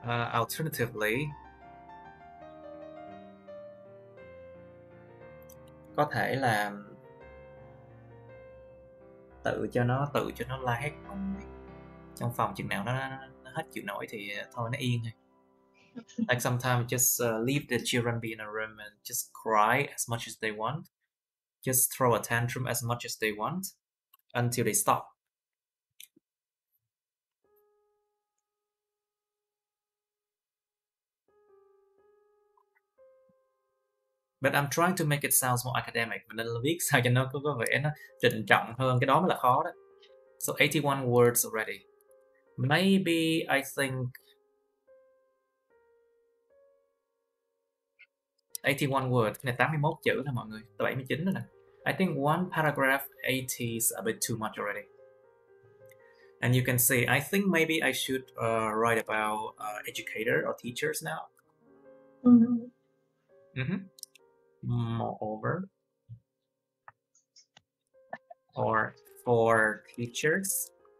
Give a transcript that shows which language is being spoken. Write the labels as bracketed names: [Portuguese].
[English] Alternatively. [Vietnamese] Có thể là tự cho nó la hét trong phòng, chừng nào nó hết chịu nổi thì thôi nó yên thôi. [English] Like sometimes just leave the children be in a room and just cry as much as they want, just throw a tantrum as much as they want until they stop. But I'm trying to make it sound more academic, [Vietnamese] mà nên là viết sao cho nó có vẻ nó trịnh trọng hơn, cái đó mới là khó đó. [English] So 81 words already. Maybe I think 81 words, [Vietnamese] cái này 81 chữ nè mọi người, 79 nữa nè. [English] I think one paragraph 80 is a bit too much already. And you can see, I think maybe I should write about educator or teachers now. Moreover, or for teachers,